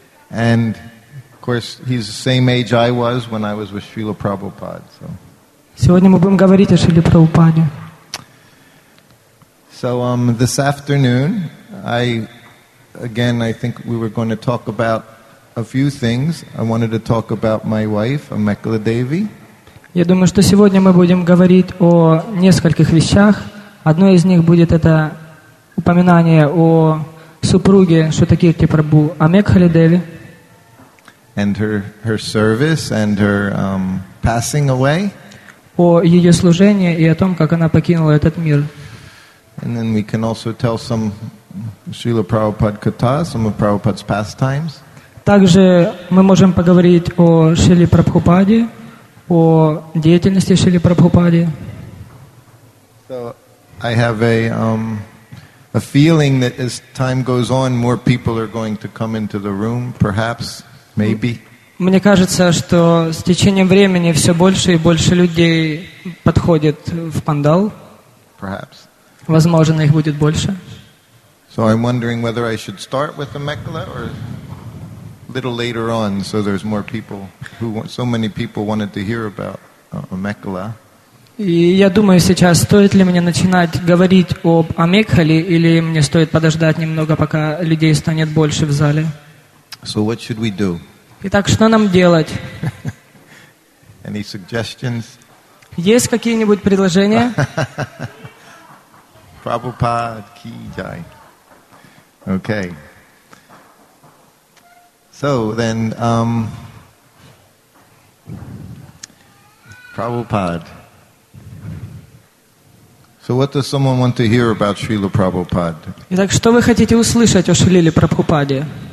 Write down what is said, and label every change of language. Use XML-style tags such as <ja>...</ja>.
<en>And of course, he's the same age I was when I was with Srila Prabhupada. So.</en> <ru>Сегодня мы будем говорить о Шриле Прабхупаде.</ru> <en>So this afternoon, I think we were going to talk about a few things. I wanted to talk about my wife, Amekala Devi.</en> <ru>Я думаю, что сегодня мы будем говорить о нескольких вещах. Одно из них будет это упоминание о супруге Шутакирти Прабху Амекхали Деви.</ru> <en>And her service and her passing away.</en> <ru>О ее служении и о том, как она покинула этот мир.</ru> <en>And then we can also tell some Srila Prabhupada katha, some of Prabhupada's pastimes.</en> <ru>Также мы можем поговорить о Шриле Прабхупаде, о деятельности Шриле Прабхупаде.</ru> <en>So I have a feeling that as time goes on, more people are going to come into the room, perhaps, maybe.</en> <ru>Мне кажется, что с течением времени все больше и больше людей подходит в пандал.</ru> <en>Perhaps.</en> <ru>Возможно, их будет больше.</ru> <en>So I'm wondering whether I should start with the Mekala or little later on, so there's more people who want, so many people wanted to hear about Amekhala.</en> <ru>И я думаю сейчас, стоит ли мне начинать говорить об Амекхале, или мне стоит подождать немного, пока людей станет больше в зале.</ru> <en>So what should we do?</en> <ru>Итак, что нам делать?</ru> <en>Any suggestions?</en> <ru>Есть какие-нибудь предложения?</ru> <en>Prabhupada ki jai. Okay. So then, Prabhupada. So, what does someone want to hear about Srila Prabhupada?</en> <ru>Итак, что вы хотите услышать о Шриле Прабхупаде?</ru>